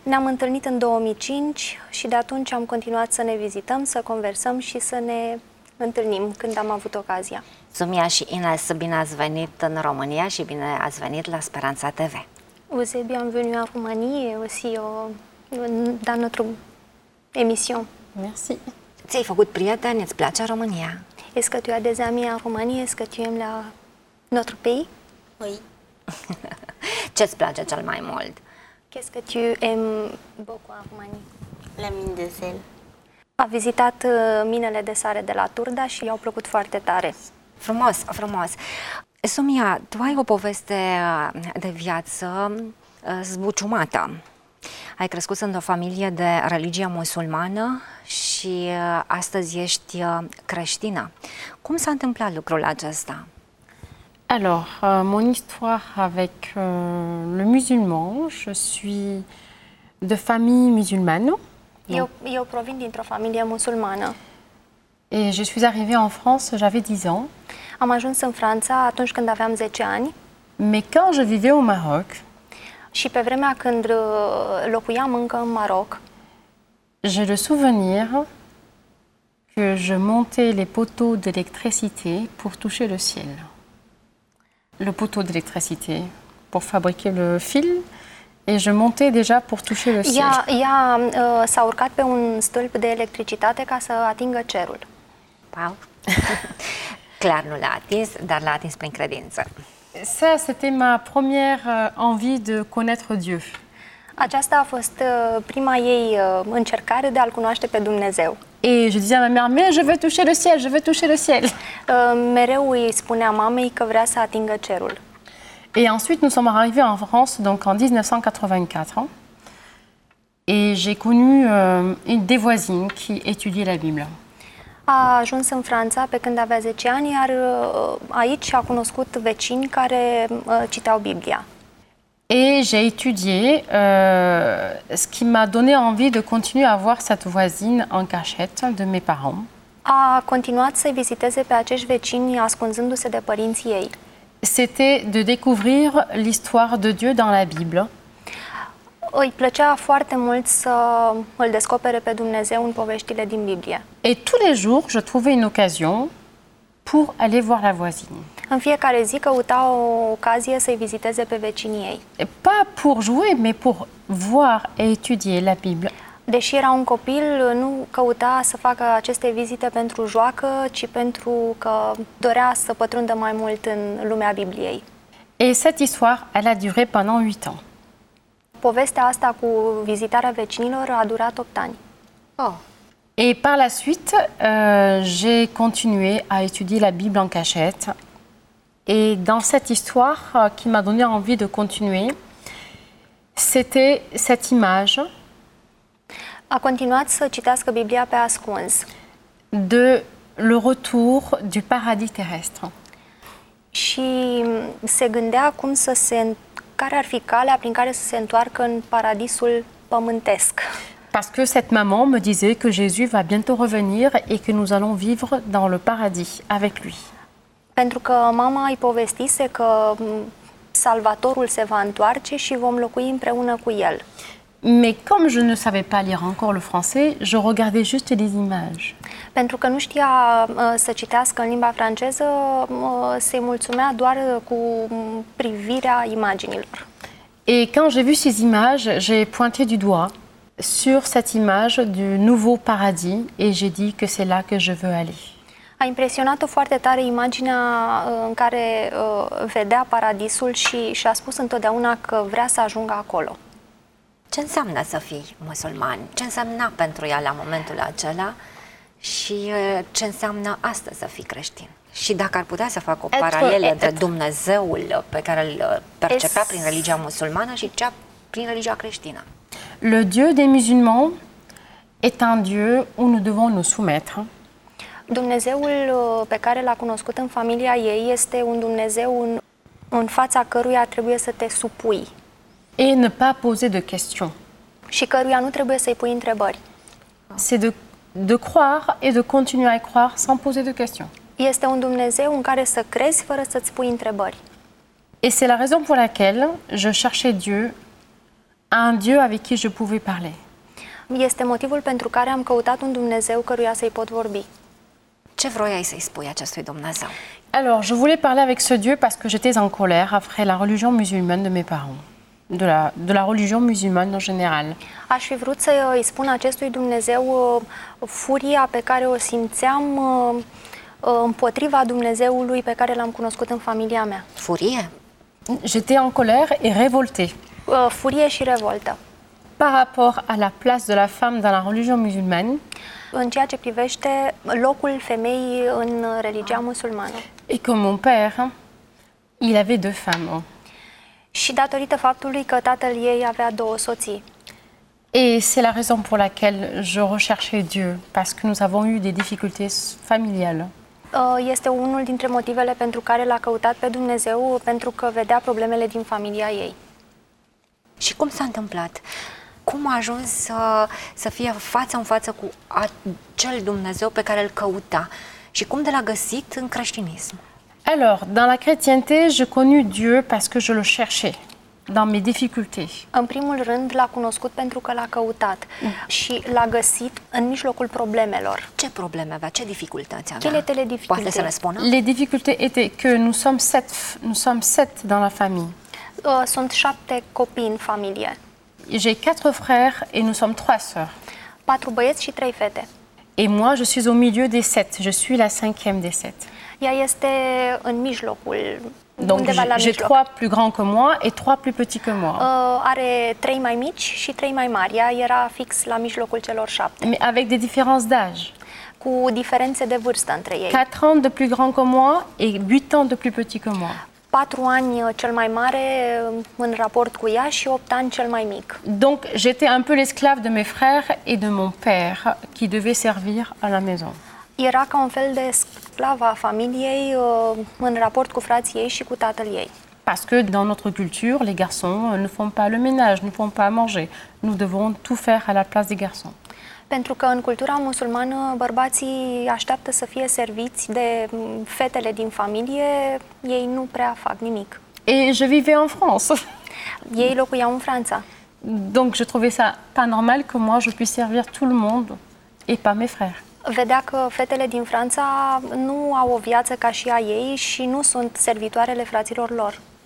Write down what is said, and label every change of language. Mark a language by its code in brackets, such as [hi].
[ro] Ne-am întâlnit în 2005 și de atunci am continuat să ne vizităm, să conversăm și să ne întâlnim când am avut ocazia. Sumia și Ines, bine ați venit în România și bine ați venit la Speranța TV. [fr] Eusebio, [ro] am venit în România, [fr] aussi o dans notre émission. Merci. [ro] Ți-ai făcut prieteni, îți place România? [fr] Est-ce que tu as des amis en Roumanie? Est-ce que tu aimes la notre pays? Oui. [ro] Ce îți place cel mai mult? [fr] Qu'est-ce que tu aimes beaucoup en Roumanie? La mine de sel. [ro] A vizitat minele de sare de la Turda și i-au plăcut foarte tare. Frumos, frumos. Sumia, tu ai o poveste de viață zbuciumată. Ai crescut într-o familie de religie musulmană și astăzi ești creștină. Cum s-a întâmplat lucrul acesta? [fr] Alors, mon histoire avec le musulman, je suis de famille musulmane. [ro] Eu provin dintr-o familie musulmană. [fr] Et je suis arrivée en France, j'avais 10 ans. [ro] Am ajuns în Franța atunci când aveam 10 ani. [fr] Mais quand je vivais au Maroc, [ro] și pe vremea când locuiam încă în Maroc, [fr] j'ai le souvenir que je montais les poteaux d'électricité pour toucher le ciel. Le poteau d'électricité pour fabriquer le fil et je montais déjà pour toucher le ciel. [ro] S-a urcat pe un stâlp de electricitate ca să atingă cerul. Wow. Clar nu l-a atins, dar l-a atins prin credință. [fr] Ça, c'était ma première envie de connaître Dieu. [ro] Aceasta a fost prima ei încercare de a-L cunoaște pe Dumnezeu. [fr] Et je disais à ma mère, mais je veux toucher le ciel, je veux toucher le ciel. [ro] Mereu îi spunea mamei că vrea să atingă cerul. [fr] Et ensuite, nous sommes arrivés en France, donc en 1984. Et j'ai connu une des voisines qui étudiait la Bible. [ro] A ajuns în Franța pe când avea 10 ani, iar aici a cunoscut vecini care citeau Biblia. [fr] Et j'ai étudié ce qui m'a donné envie de continuer à voir cette voisine en cachette de mes parents. [ro] A continuat să-i viziteze pe acești vecini ascunzându-se de părinții ei. [fr] C'était de découvrir l'histoire de Dieu dans la Bible. [ro] Îi plăcea foarte mult să îl descopere pe Dumnezeu în poveștile din Biblie. [fr] Et tous les jours, je trouvais une occasion pour aller voir la voisine. [ro] În fiecare zi căuta o ocazie să-i viziteze pe vecinii ei. [fr] Pas pour jouer, mais pour voir et étudier la Bible. [ro] Deși era un copil, nu căuta să facă aceste vizite pentru joacă, ci pentru că dorea să pătrundă mai mult în lumea Bibliei. [fr] Et cette histoire, elle a duré pendant 8 ans. [ro] Povestea asta cu vizitarea vecinilor a durat 8 ani. Oh. [fr] Et par la suite, j'ai continué à étudier la Bible en cachette. Et dans cette histoire qui m'a donné envie de continuer, c'était cette image. [ro] A continuat să citească Biblia pe ascuns. [fr] De le retour du paradis terrestre. [ro] Și se gândea cum să se, care ar fi calea prin care să se întoarcă în paradisul pământesc. [fr] Parce que cette maman me disait que Jésus va bientôt revenir et que nous allons vivre dans le paradis avec lui. [ro] Pentru că mama îi povestise că Salvatorul se va întoarce și vom locui împreună cu el. [fr] Mais comme je ne savais pas lire encore le français, je regardais juste les images. [ro] Pentru că nu știa să citească în limba franceză, se mulțumea doar cu privirea imaginilor. [fr] Et quand j'ai vu ces images, j'ai pointé du doigt sur cette image du nouveau paradis et j'ai dit que c'est là que je veux aller. [ro] A impresionat-o foarte tare imaginea în care vedea paradisul și și-a spus întotdeauna că vrea să ajungă acolo. Ce înseamnă să fii musulman? Ce înseamnă pentru ea la momentul acela? Și ce înseamnă astăzi să fii creștin? Și dacă ar putea să facă o paralelă între Dumnezeul pe care îl percepea prin religia musulmană și cea prin religia creștină? [fr] Le Dieu des musulmans est un Dieu où nous devons nous soumettre. [ro] Dumnezeul pe care l-a cunoscut în familia ei este un Dumnezeu în, în fața căruia trebuie să te supui. [fr] Et ne pas poser de questions. [ro] Și căruia nu trebuie să-i pui întrebări. [fr] C'est de croire et de continuer à croire sans poser de questions. [ro] Este un Dumnezeu în care să crezi fără să-ți pui întrebări. [fr] Et c'est la raison pour laquelle je cherchais Dieu, un Dieu avec qui je pouvais parler. [ro] Este motivul pentru care am căutat un Dumnezeu căruia să-i pot vorbi. Ce vroiai să-i spui acestui Dumnezeu? [fr] Alors, je voulais parler avec ce Dieu parce que j'étais en colère après la religion musulmane de mes parents. De la religion musulmane en général. [ro] Aș fi vrut să îi spun acestui Dumnezeu furia pe care o simțeam împotriva Dumnezeului pe care l-am cunoscut în familia mea. Furie? [fr] J'étais en colère et révoltée. [ro] Furie și revoltă. [fr] Par rapport à la place de la femme dans la religion musulmane. [ro] În ceea ce privește locul femeii în religia musulmană. [fr] Et comme mon père, il avait deux femmes. [ro] Și datorită faptului că tatăl ei avea două soții. [fr] Et c'est la raison pour laquelle je recherchais Dieu, parce que nous avons eu des difficultés familiales. [ro] Este unul dintre motivele pentru care l-a căutat pe Dumnezeu, pentru că vedea problemele din familia ei. Și cum s-a întâmplat? Cum a ajuns să fie față în față cu acel Dumnezeu pe care îl căuta? Și cum de l-a găsit în creștinism? [fr] Alors, dans la chrétienté, je connus Dieu parce que je le cherchais dans mes difficultés. [ro] În primul rând, l-a cunoscut pentru că l-a căutat și l-a găsit în mijlocul problemelor. Ce probleme avea? Ce dificultăți avea? [fr] Quelles difficultés? [ro] Poate să ne spună? [fr] Les difficultés étaient que nous sommes sept dans la famille. [ro] Sunt 7 copii în familie. [fr] J'ai 4 frères et nous sommes 3 sœurs. [ro] 4 băieți și 3 fete. [fr] Et moi, je suis au milieu des 7. Je suis la 5e des 7. [ro] Ea este în mijlocul, [fr] donc, [ro] undeva la mijloc. [fr] J'ai 3 plus grands que moi et 3 plus petits que moi. [ro] Are 3 mai mici și 3 mai mari. Ea era fix la mijlocul celor 7. [fr] Mais avec des différences d'âge. [ro] Cu diferențe de vârstă între ei. [fr] 4 ans de plus grand que moi et 8 ans de plus petit que moi. [ro] 4 ani cel mai mare în raport cu ea și 8 ani cel mai mic. [fr] Donc, j'étais un peu l'esclave de mes frères et de mon père qui devait servir à la maison. [ro] Era ca un fel de sclava familiei în raport cu frații ei și cu tatăl ei. [fr] Parce que dans notre culture, les garçons ne font pas le ménage, ne font pas à manger. Nous devons tout faire à la place des garçons. [ro] Pentru că în cultura musulmană bărbații așteaptă să fie serviți de fetele din familie, ei nu prea fac nimic. [fr] Et je vivais en France. [ro] Ei locuiau în Franța. [fr] Donc je trouvais ça pas normal que moi je puisse servir tout le monde et pas mes frères. [ro] Vedea că fetele din Franța nu au o viață ca și a ei și nu sunt servitoarele fraților lor.